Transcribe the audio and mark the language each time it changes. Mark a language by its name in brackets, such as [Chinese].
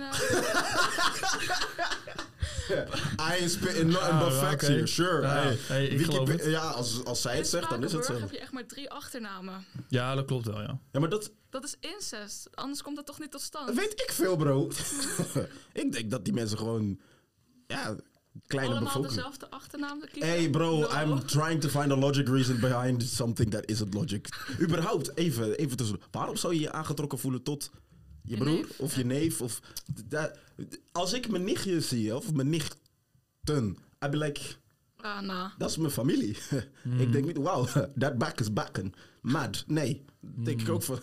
[English] I ain't spitting nothing but facts here, sure. [Dutch] Ja, hey, ik geloof het. Ja, als zij het zegt, dan is het zo. In heb je echt maar 3 achternamen. Ja, dat klopt wel, ja. Ja, maar dat... Dat is incest. Anders komt dat toch niet tot stand. Weet ik veel, bro. Ik denk dat die mensen gewoon... Ja, kleine bevolking. Allemaal dezelfde achternaam. [English] Hey, bro, no. I'm trying to find a logic reason behind something that isn't logic. [Dutch] Überhaupt, even tussen... Waarom zou je je aangetrokken voelen tot... Je broer neef, of je neef of... Als ik mijn nichtje zie, of mijn nichten, [English] I be like... [Dutch] Dat is mijn familie. Mm. Ik denk niet, wauw, [English] that back is backen. [Dutch] Mad. Nee, denk ik ook van...